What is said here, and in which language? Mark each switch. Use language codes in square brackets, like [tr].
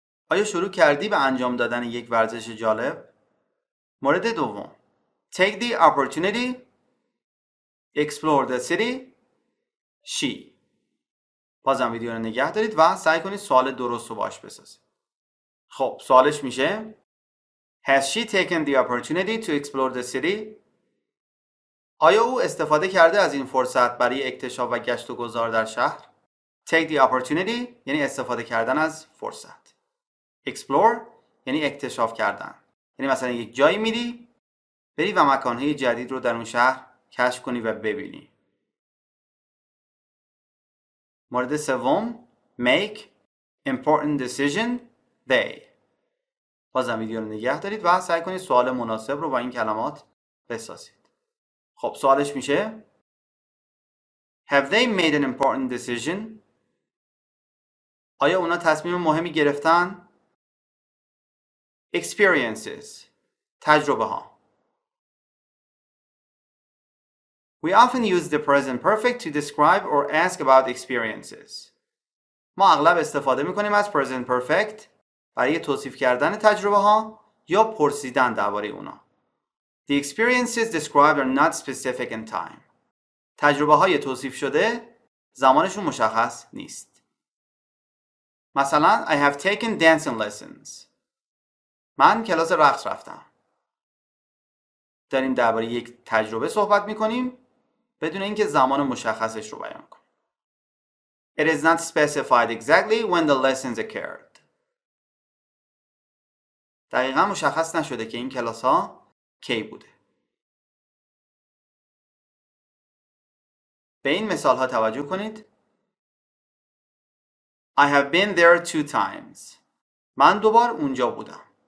[fa] آیا شروع کردی به انجام دادن یک ورزش جالب؟ مورد دوم. [en] Take the opportunity. Explore the city. She. [fa] بازم ویدیو رو نگه دارید و سعی کنید سوال درست رو باش بسازید. خب سوالش میشه. [en] Has she taken the opportunity to explore the city? [fa] آیا او استفاده کرده از این فرصت برای اکتشاف و گشت و گذار در شهر؟ [en] Take the opportunity [fa] یعنی استفاده کردن از فرصت. Explore یعنی اکتشاف کردن. یعنی مثلا یک جایی میری، بری و مکانهای جدید رو در اون شهر کشف کنی و ببینی. مورد سوم، [en] Make important decision they. [fa] بازم ویدیو رو نگه دارید و سعی کنید سوال مناسب رو با این کلمات بسازید. خب سوالش میشه [en] Have they made an important decision؟ [fa] آیا اونا تصمیم مهمی گرفتن؟ Experiences، تجربه ها. [en] We often use the present perfect to describe or ask about experiences. [fa] ما اغلب استفاده میکنیم از present perfect برای توصیف کردن تجربه ها یا پرسیدن درباره اونا. [en] The experiences described are not specific in time. [fa] تجربه های توصیف شده زمانشون مشخص نیست. مثلا [en] I have taken dancing lessons. [fa] من کلاس رقص رفتم. داریم درباره یک تجربه صحبت می‌کنیم بدون اینکه زمان مشخصش رو بیان کنیم. [en] It is not specified exactly when the lessons occurred. [fa] دقیقاً مشخص نشده که این کلاس‌ها کی بوده. به این مثال‌ها توجه کنید. [en] I have been there two times. [fa] من دوبار اونجا بودم.